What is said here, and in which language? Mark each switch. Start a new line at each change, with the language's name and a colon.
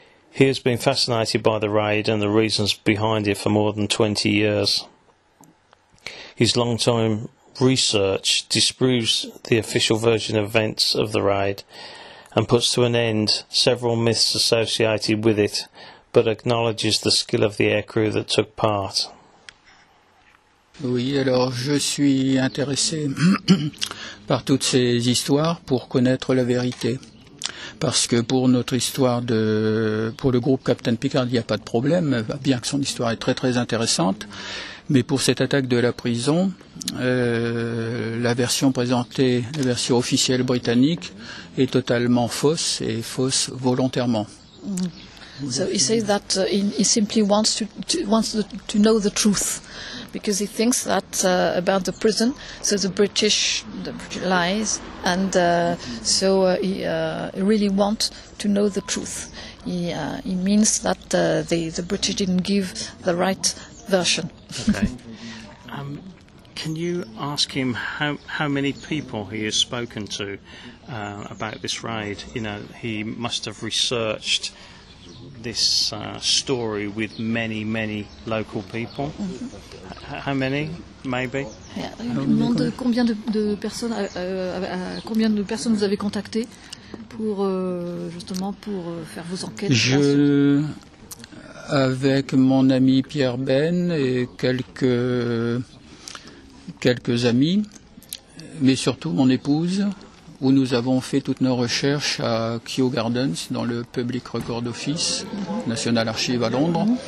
English: He has been fascinated by the raid and the reasons behind it for more than 20 years. His long-time research disproves the official version of events of the raid and puts to an end several myths associated with it, but acknowledges the skill of the aircrew that took part.
French: Oui, alors je suis intéressé par toutes ces histoires pour connaître la vérité. Parce que pour notre histoire de, pour le groupe Captain Pickard, il n'y a pas de problème, bien que son histoire est très très intéressante. Mais pour cette attaque de la prison, la version présentée, la version officielle britannique, est totalement fausse et fausse volontairement.
English: So he says that he simply wants to know the truth, because he thinks that about the prison, so the British lies, and he really wants to know the truth. He means that the British didn't give the right version. Okay. Can you ask him how many people he has spoken to about this raid? You know, he must have researched this story with many, many local people. Mm-hmm. How many, maybe?
French: Demande combien de personnes, combien de personnes vous avez contacté pour justement pour faire vos enquêtes. Je, avec mon ami Pierre Ben et quelques amis, mais surtout mon épouse, où nous avons fait toutes nos recherches à Kew Gardens, dans le Public Record Office, National Archive à Londres.